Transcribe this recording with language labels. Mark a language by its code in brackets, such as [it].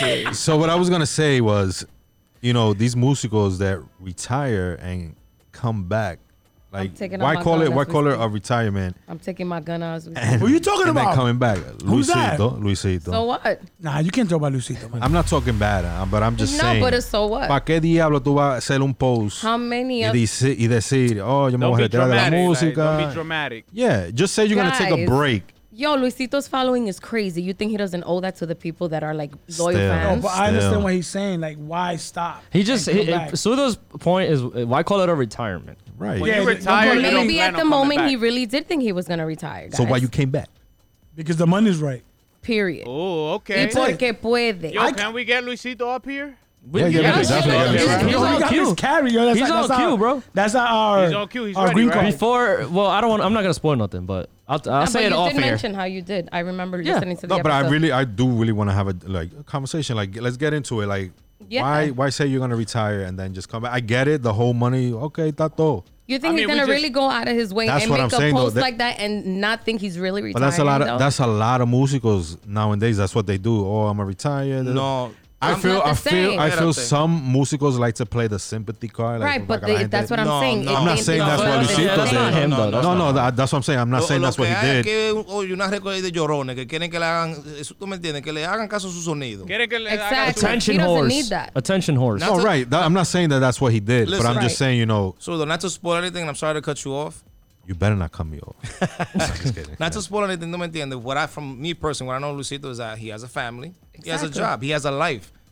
[en] what So what I was going to say was, you know, these musicals that retire and come back, like, why call it a retirement? I'm taking my gun out. Who are you talking about? And then coming back. Luisito. So what? Nah, you can't talk about Luisito. I'm not talking bad, but I'm just saying. No, but it's so what? [es] ¿Para qué diablo tú vas a hacer un post? [en] How many of [es] y decir, oh, yo me voy a retirar de la música. [en] Don't be dramatic. Yeah, just say you're going to take a break. Yo, Luisito's following is crazy. You think he doesn't owe that to the people that are like loyal fans? No, but I understand what he's saying. Like, why stop? He just, Sudo's point is, why call it a retirement? Right. When you retire, maybe you don't at the moment he really did think he was going to retire. Guys. So why you came back? Because the money's right. Period. Oh, okay. [es] Y porque puede. [en] Yo, can we get Luisito up here? He's all cute, bro. That's our green card. Before, well, I don't want. I'm not gonna spoil nothing, but I'll say but it off here. You did mention how you did. I remember listening to the episode. I really want to have a conversation. Like, let's get into it. Like, why say you're gonna retire and then just come back? I get it. The whole money, okay, tato. You think he's gonna go out of his way and make a post like that and not think he's really retired? But that's a lot of musicals nowadays. That's what they do. Oh, I'm a retired. No. I feel some musicals like to play the sympathy card. Like, right, but like that's what I'm saying. No, I'm not saying that's what Luisito did. No, that's what I'm saying. I'm not saying that's what he did. [es] Oye, una recogida de llorones que quieren que le hagan, ¿tú me entiendes? Que le hagan caso a su sonido. [en] Attention horse. Attention horse. No, right. I'm not saying that that's what he did, but I'm just saying, you know. So, not to spoil anything, I'm sorry to cut you off. You better not cut me off. Not to spoil anything, [es] ¿tú me entiendes? [en] What I know Luisito is that he has a family. Exactly. He has a job. He has a life.